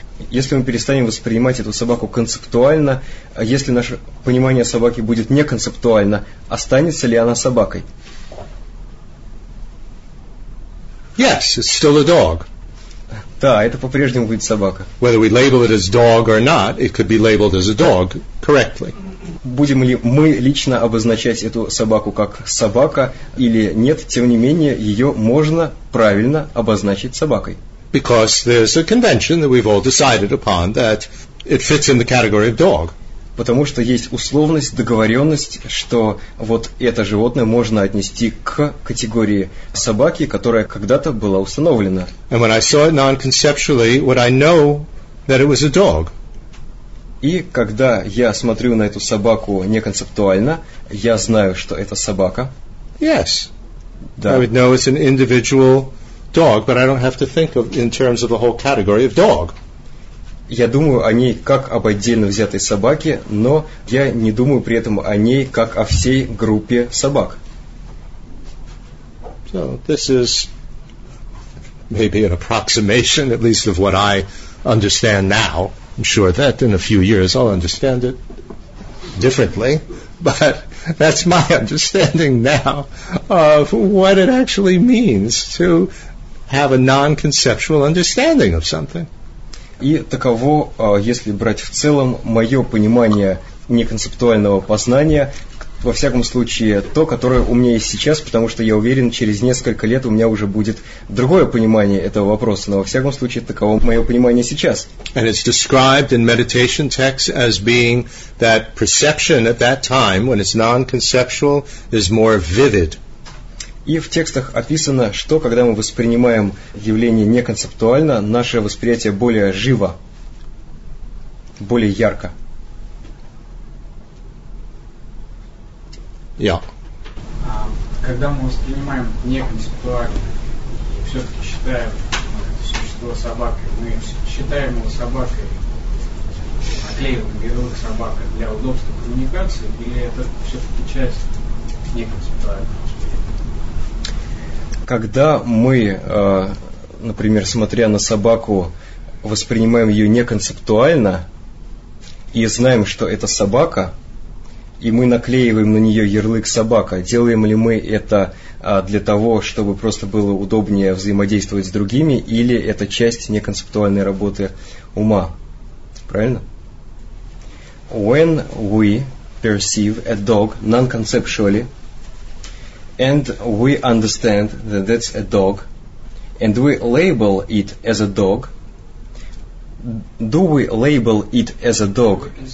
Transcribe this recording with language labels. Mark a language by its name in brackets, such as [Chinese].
[Russian] Если мы перестанем воспринимать эту собаку концептуально, если наше понимание собаки будет не концептуально, останется ли она собакой? [English] Yes, it's still a dog. [Russian] Да, это по-прежнему будет собака. [English] Whether we label it as dog or not, it could be labeled as a dog correctly. [Russian] Будем ли мы лично обозначать эту собаку как собака или нет, тем не менее, ее можно правильно обозначить собакой. [English] Because there's a convention that we've all decided upon that it fits in the category of dog. [Russian] Потому что есть условность, договоренность, что вот это животное можно отнести к категории собаки, которая когда-то была установлена. [English] And when I saw it non-conceptually, would I know that it was a dog? [Russian] И когда я смотрю на эту собаку неконцептуально, я знаю, что это собака. [English] Yes. [Russian] Да. [English] I would know it's an individual dog, but I don't have to think of in terms of the whole category of dog. [Russian] Я думаю о ней как об отдельно взятой собаке, но я не думаю при этом о ней как о всей группе собак. [English] So this is maybe an approximation, at least of what I understand now. I'm sure that in a few years I'll understand it differently, but that's my understanding now of what it actually means to have a non-conceptual understanding of something. [Russian] И таково, если брать в целом, мое понимание неконцептуального познания, во всяком случае, то, которое у меня есть сейчас, потому что я уверен, через несколько лет у меня уже будет другое понимание этого вопроса, но во всяком случае, таково мое понимание сейчас. [English] And it's described in meditation texts as being that perception at that time, when it's non-conceptual, is more vivid. [Russian] И в текстах описано, что когда мы воспринимаем явление неконцептуально, наше восприятие более живо, более ярко. [English] Yeah. [Russian] Когда мы воспринимаем неконцептуально, все-таки считаем это существо собакой, мы считаем его собакой, а склеивание белых собак для удобства коммуникации, или это все-таки часть неконцептуального? Когда мы, например, смотря на собаку, воспринимаем ее неконцептуально и знаем, что это собака, и мы наклеиваем на нее ярлык «собака», делаем ли мы это для того, чтобы просто было удобнее взаимодействовать с другими, или это часть неконцептуальной работы ума? Правильно? [English] When we perceive a dog non-conceptually, and we understand that that's a dog, and we label it as a dog, do we label it as a dog?